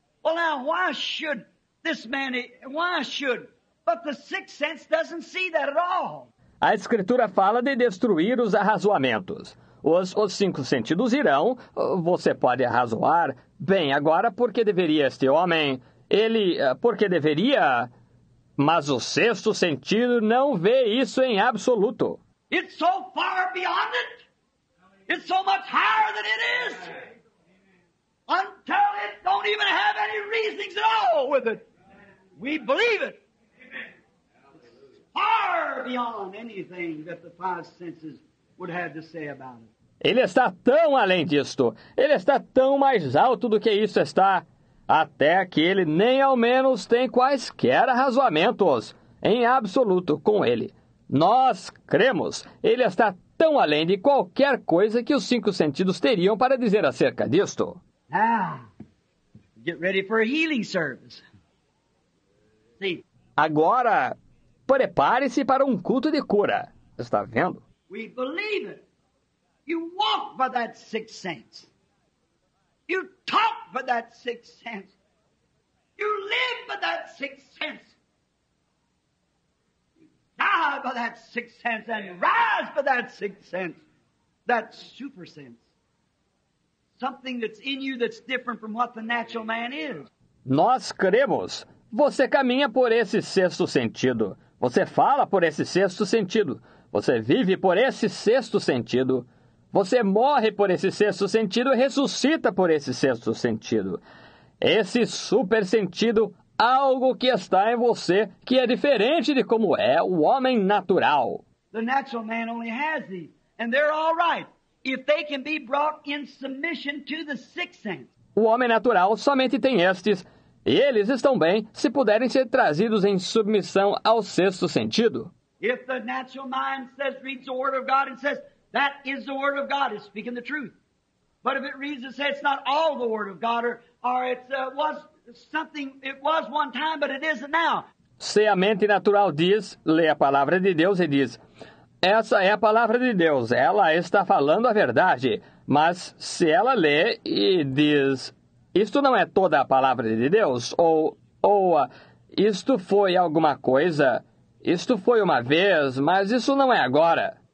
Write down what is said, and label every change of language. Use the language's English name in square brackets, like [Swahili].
[English] Well, now, why should this man, why should? But the sixth sense doesn't see that at all. [Portuguese] A escritura fala de destruir os arrazoamentos. Os cinco sentidos irão, você pode arrazoar. Bem, agora, por que deveria este homem? Ele, por que deveria? Mas o sexto sentido não vê isso em absoluto. [English] It's so far beyond it. It's so much higher than it is. Until it don't even have any reasonings at all with it. We believe it. Far beyond anything that the five senses would have to say about it. [Portuguese] Ele está tão além disto. Ele está tão mais alto do que isso está. Até que ele nem ao menos tem quaisquer arrazoamentos em absoluto com ele. Nós cremos. Ele está tão além de qualquer coisa que os cinco sentidos teriam para dizer acerca disto. [English] Ah, get ready for a healing service. See. [Portuguese] Agora, prepare-se para um culto de cura. Está vendo? [English] We believe it. You walk by that sixth sense. You talk by that sixth sense. You live by that sixth sense. You die by that sixth sense and rise by that sixth sense. That super sense. Something that's in you that's different from what the natural man is. [Portuguese] Nós cremos. Você caminha por esse sexto sentido. Você fala por esse sexto sentido. Você vive por esse sexto sentido. Você morre por esse sexto sentido e ressuscita por esse sexto sentido. Esse super sentido, algo que está em você, que é diferente de como é o homem natural. [English] The natural man only has these, and they're all right, if they can be brought in submission to the sixth sense. [Portuguese] O homem natural somente tem estes, e eles estão bem se puderem ser trazidos em submissão ao sexto sentido. [English] If the natural mind says, reads the word of God and says, that is the word of God, it's speaking the truth. But if it reads and says it's not all the word of God, or it's was something, it was one time, but it isn't now. [Portuguese] Se a mente natural diz, lê a palavra de Deus e diz, essa é a palavra de Deus, ela está falando a verdade. Mas se ela lê e diz, isto não é toda a palavra de Deus, ou isto foi alguma coisa, isto foi uma vez, mas isso não é agora.